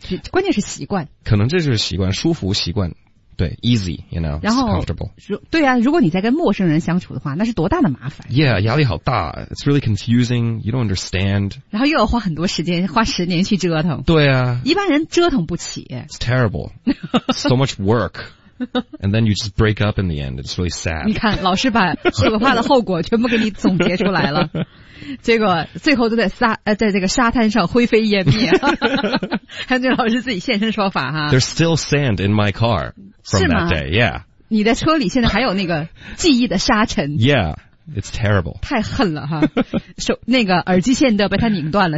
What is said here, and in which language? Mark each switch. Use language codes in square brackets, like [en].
[zh] 关键是习惯，可能这就是习惯，舒服习惯，对 ， [en] easy， you know， [zh] 然后 [en] comfortable， [zh] 对啊，如果你在跟陌生人相处的话，那是多大的麻烦 [en] ，yeah， [zh] 压力好大 [en] ，it's really confusing， you don't understand， [zh] 然后又要花很多时间，花十年去折腾，对啊，一般人折腾不起 [en] ，it's terrible。 So much work, and then you just break up in the end. It's really sad. [zh] 你看，老师把可怕的后果全部给你总结出来了，结果最后都在这个沙滩上灰飞烟灭。韩军老师自己现身说法哈。 [en] There's still sand in my car from that day. Yeah. [zh] 你的车里现在还有那个记忆的沙尘。 [en] Yeah. It's terrible. [zh] 太狠了哈，手那个耳机线都被他拧断了。